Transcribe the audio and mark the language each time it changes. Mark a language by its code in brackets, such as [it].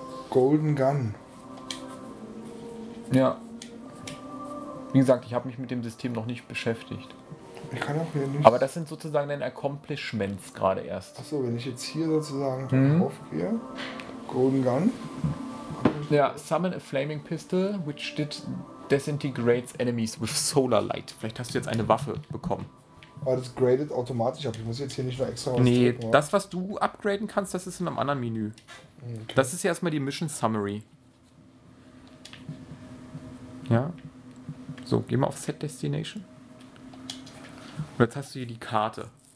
[en] Golden Gun. [de] Ja. Wie gesagt, ich habe mich mit dem System noch nicht beschäftigt. Ich kann auch hier nicht. Aber das sind sozusagen deine Accomplishments gerade erst. Achso, wenn ich jetzt hier sozusagen aufgehe, Golden Gun. [en] Ja, summon a flaming pistol, which did disintegrates enemies with solar light. [de] Vielleicht hast du jetzt eine Waffe bekommen. Aber das gradet automatisch ab. Ich muss jetzt hier nicht noch extra was drücken. Nee, das, was du upgraden kannst, das ist in einem anderen Menü. Okay. Das ist ja erstmal die Mission Summary. Ja. So, gehen wir auf Set Destination. Und jetzt hast du hier die Karte.